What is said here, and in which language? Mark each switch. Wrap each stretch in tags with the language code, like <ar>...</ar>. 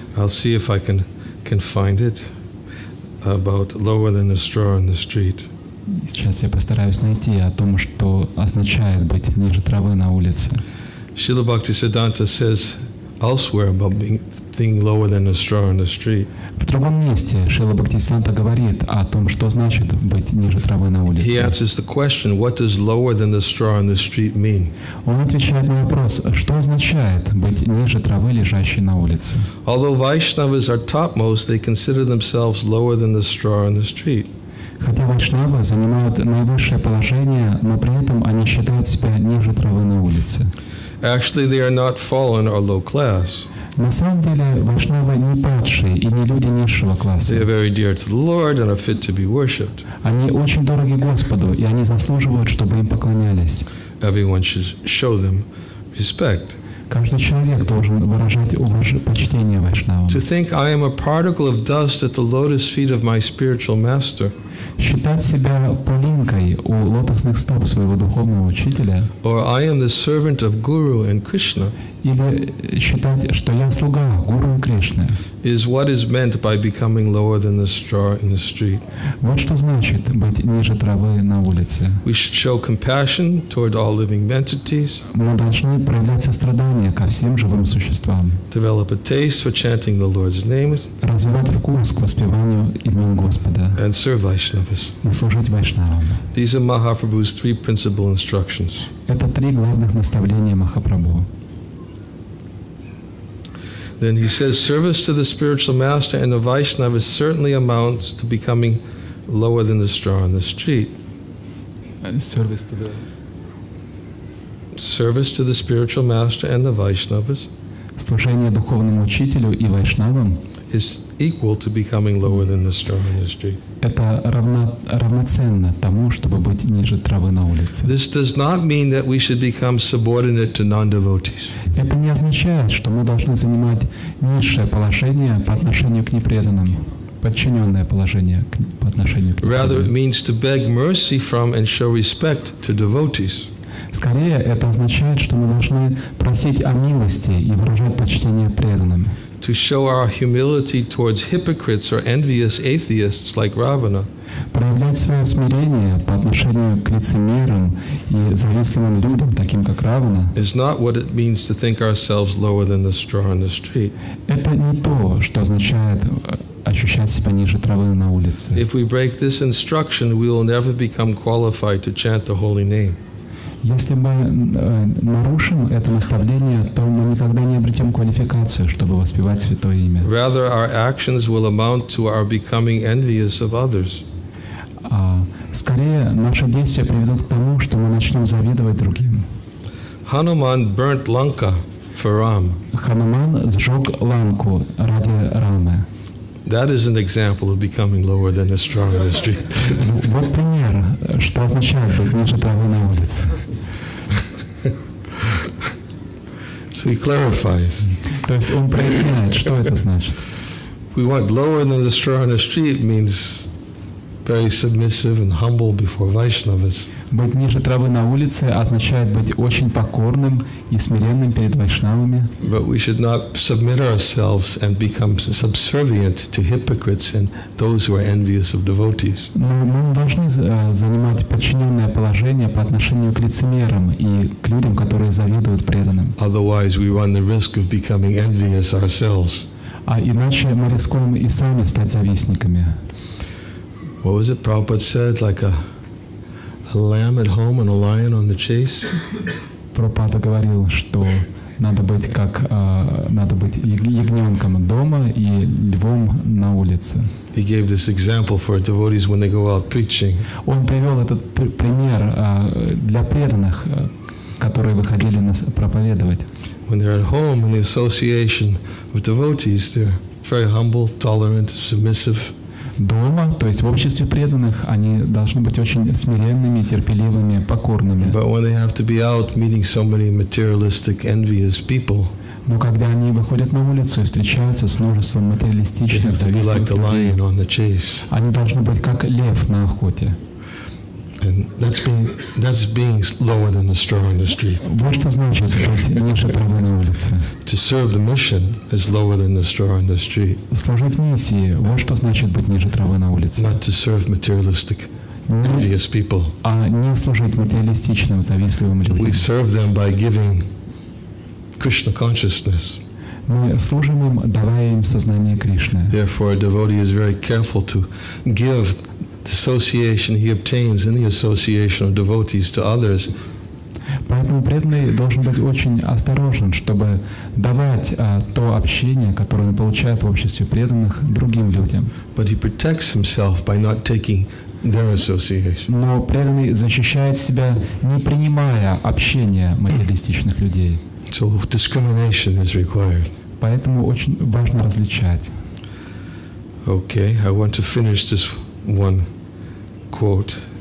<en>I'll see if I can find it about lower than the straw on the street.</en> <ru>Сейчас я постараюсь найти о том, что означает быть ниже травы на улице.</ru> <en>Śrīla Bhaktisiddhānta says, elsewhere about being thing lower than a straw on the street.</en> <ru>В другом месте Шрила Бхактисиддханта говорит о том, что значит быть ниже травы на улице.</ru> <en>He answers the question, what does lower than the straw on the street mean?</en> <ru>Он отвечает на вопрос, что означает быть ниже травы, лежащей на улице.</ru> <en>Although Vaishnavas are topmost, they consider themselves lower than the straw on the street.</en> <ru>Хотя вайшнавы занимают наивысшее положение, но при этом они считают себя ниже травы на улице.</ru> <en>Actually, they are not fallen or low class.</en> <ru>На самом деле, вайшнавы не падшие и не люди низшего класса.</ru> <en>They are very dear to the Lord and are fit to be worshipped.</en> <ru>Они очень дороги Господу, и они заслуживают, чтобы им поклонялись.</ru> <en>Everyone should show them respect.</en> <ru>Каждый человек должен выражать уважение, почтение вайшнавам.</ru> <en>To think I am a particle of dust at the lotus feet of my spiritual master.</en> <ru>Считать себя пылинкой у лотосных стоп своего духовного учителя.</ru> <en>Or I am the servant of Guru and Krishna.</en> <ru>Или считать, что я слуга Гуру и Кришны.</ru> <en>Is what is meant by becoming lower than the straw in the street.</en> <ru>Вот что значит быть ниже травы на улице.</ru> <en>We should show compassion toward all living entities.</en> <ru>Мы должны проявлять сострадание ко всем живым существам.</ru> <en>Develop a taste for chanting the Lord's name.</en> <ru>Развивать вкус к воспеванию имен Господа.</ru> <en>And serve Vaishnavas.</en> <ru>И служить вайшнавам.</ru> <en>These are Mahaprabhu's three principal instructions.</en> <ru>Это три главных наставления Махапрабху.</ru> <en>Then he says, service to the spiritual master and the Vaishnava certainly amounts to becoming lower than the straw on the street. Service to the spiritual master and the Vaishnavas.</en> <ru>Служение духовному учителю и вайшнавам.</ru> <en>Is equal to becoming lower than the straw on the street.</en> <ru>Это равноценно тому, чтобы быть ниже травы на улице.</ru> <en>This does not mean that we should become subordinate to non-devotees.</en> <ru>Это не означает, что мы должны занимать низшее положение по отношению к непреданным, подчиненное положение по отношению к непреданным.</ru> <en>Rather, it means to beg mercy from and show respect to devotees.</en> <ru>Скорее, это означает, что мы должны просить о милости и выражать почтение преданным.</ru> <en>To show our humility towards hypocrites or envious atheists like Ravana.</en> <ru>Проявлять свое смирение по отношению к лицемерам и завистливым людям, таким как Равана.</ru> <en>Is not what it means to think ourselves lower than the straw on the street.</en> <ru>Это не то, что означает ощущать себя ниже травы на улице.</ru> <en>If we break this instruction, we will never become qualified to chant the holy name.</en> <ru>Если мы нарушим это наставление, то мы никогда не обретем квалификацию, чтобы воспевать Святое Имя.</ru> <en>Rather, our actions will amount to our becoming envious of others.</en> <ru>Скорее, наши действия приведут к тому, что мы начнем завидовать другим.</ru> <en>Hanuman burnt Lanka for Ram.</en> <ru>Хануман сжег Ланку ради Рамы.</ru> <en>That is an example of becoming lower than a straw on the street.</en> <ru>Вот пример, что означает быть ниже травы на улице.</ru> <en>So he clarifies.</en> <ru>То есть он проясняет, что это значит.</ru> <en>We want lower than the straw on the street means very submissive and humble before Vaishnavas.</en> <ru>Быть ниже травы на улице означает быть очень покорным и смиренным перед вайшнавами.</ru> <en>But we should not submit ourselves and become subservient to hypocrites and those who are envious of devotees.</en> <ru>Но мы не должны занимать подчиненное положение по отношению к лицемерам и к людям, которые завидуют преданным.</ru> <en>Otherwise, we run the risk of becoming envious ourselves.</en> <ru>А иначе мы рискуем и сами стать завистниками.</ru> <en>What was it Prabhupada said, like a lamb at home and a lion on the chase?</en> <ru>Prabhupada говорил, что надо быть как надо быть ягненком дома и львом на улице.</ru> <en>He gave this example for devotees when they go out preaching.</en> <ru>Он привел этот пример для преданных, которые выходили нас проповедовать.</ru> <en>When they're at home in the association of devotees, they're very humble, tolerant, submissive.</en> <ru>Дома, то есть в обществе преданных, они должны быть очень смиренными, терпеливыми, покорными.</ru> <en>But when they have to be out meeting so many materialistic, envious people,</en> <ru>но когда они выходят на улицу и встречаются с множеством материалистичных, завистливых людей, они должны быть как лев на охоте.</ru> <en>And that's being lower than the straw on the street.</en> <ru>Вот что значит быть ниже травы на улице.</ru> <en>To serve the mission is lower than the straw on the street.</en> <ru>Служить миссии, вот что значит быть ниже травы на улице.</ru> <en>Not to serve materialistic, envious people.</en> <ru>А не служить материалистичным, завистливым людям.</ru> <en>We serve them by giving Krishna consciousness.</en> <ru>мы служим им, давая им сознание Кришны.</ru> <en>Therefore, a devotee is very careful to give the association he obtains in the association of devotees to others.</en> <ru>Поэтому преданный должен быть очень осторожен, чтобы давать то общение, которое он получает в обществе преданных, другим людям.</ru> <en>But he protects himself by not taking their association.</en> <ru>Но преданный защищает себя, не принимая общения материалистичных людей.</ru> <en>So discrimination is required.</en> <ru>Поэтому очень важно различать.</ru> <en>Okay, I want to finish this one quote.</en>